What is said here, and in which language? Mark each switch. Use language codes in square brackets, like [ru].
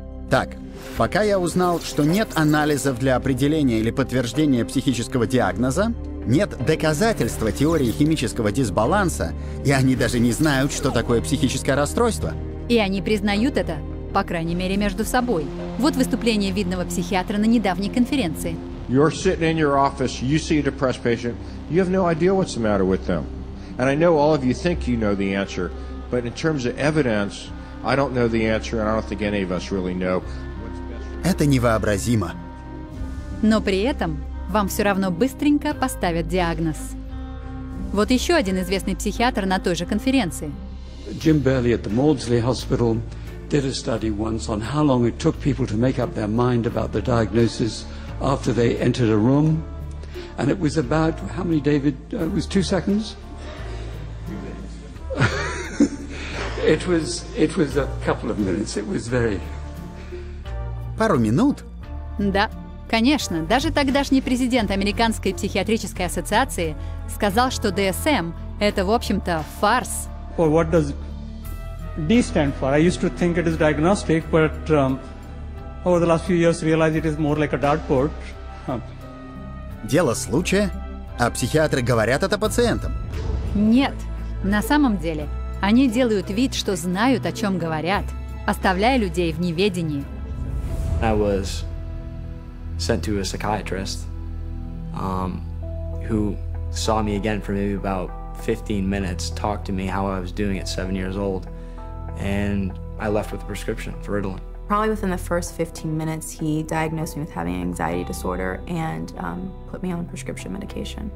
[ru] Так, пока я узнал, что нет анализов для определения или подтверждения психического диагноза, нет доказательства теории химического дисбаланса, и они даже не знают, что такое психическое расстройство. И они признают это, по крайней мере, между собой. Вот выступление видного психиатра на недавней конференции. [en] You're sitting in your office, you see a depressed patient, you have no idea what's the matter with them. And I know all of you think you know the answer, but in terms of evidence, I don't know the answer, and I don't think any of us really know. [ru] Это невообразимо. Но при этом вам все равно быстренько поставят диагноз. Вот еще один известный психиатр на той же конференции. [en] Jim Burley at the Maudsley Hospital did a study once on how long it took people to make up their mind about the diagnosis after they entered a room, and it was about how many, David? It was 2 seconds. It was a couple of minutes. It was very. [ru] Пару минут? Да. Конечно, даже тогдашний президент Американской психиатрической ассоциации сказал, что DSM – это, в общем-то, фарс. [en] Well, what does D stand for? I used to think it is diagnostic, but over the last few years, realized it is more like a dartboard. [ru] Дело случая? А психиатры говорят это пациентам? Нет, на самом деле, они делают вид, что знают, о чем говорят, оставляя людей в неведении. [en] I was sent to a psychiatrist who saw me again for maybe about 15 minutes, talked to me how I was doing at 7 years old, and I left with a prescription for Ritalin. Probably within the first 15 minutes, he diagnosed me with having anxiety disorder and put me on prescription medication.